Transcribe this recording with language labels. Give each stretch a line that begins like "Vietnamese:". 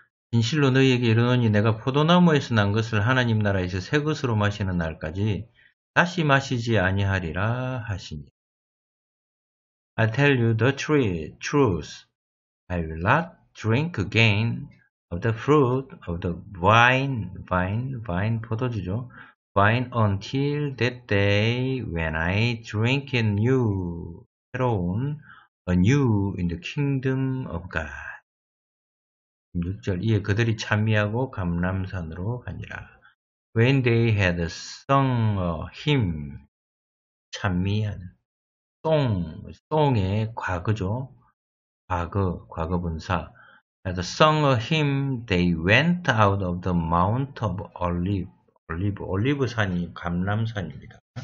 Korean: 진실로 너희에게 이르노니 내가 포도나무에서 난 것을 하나님 나라에서 새 것으로 마시는 날까지 다시 마시지 아니하리라 하시니.
English: I tell you the truth. I will not drink again of the fruit of the vine,
Korean: 포도주죠.
English: Vine until that day when I drink it new,
Korean: 새로운,
English: anew in the kingdom of God.
Korean: 6절, 이에 그들이 찬미하고 감람산으로 가니라.
English: When they had sung a hymn,
Korean: 찬미하는, song의 과거죠. 과거 분사.
English: Had sung a hymn, they went out of the Mount of Olives.
Korean: 올리브 산이 감람산입니다.